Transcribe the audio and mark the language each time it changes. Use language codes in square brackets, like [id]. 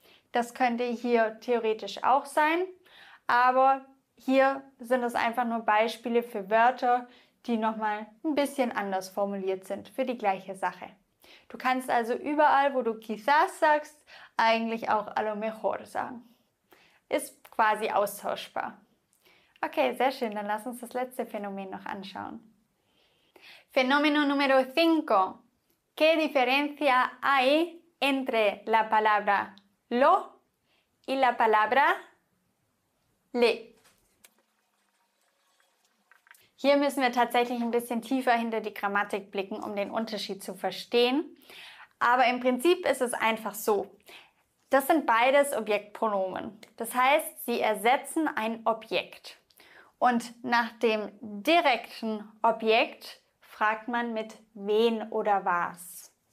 [de] Das könnte hier theoretisch auch sein. Aber hier sind es einfach nur Beispiele für Wörter, die nochmal ein bisschen anders formuliert sind für die gleiche Sache. Du kannst also überall, wo du quizás sagst, eigentlich auch a lo mejor sagen. Ist quasi austauschbar. Okay, sehr schön, dann lass uns das letzte Phänomen noch anschauen. [es] Fenómeno número 5. ¿Qué diferencia hay entre la palabra lo y la palabra le? [de] Hier müssen wir tatsächlich ein bisschen tiefer hinter die Grammatik blicken, um den Unterschied zu verstehen. Aber im Prinzip ist es einfach so. Das sind beides Objektpronomen. Das heißt, sie ersetzen ein Objekt. Und nach dem direkten Objekt fragt man mit wen oder was.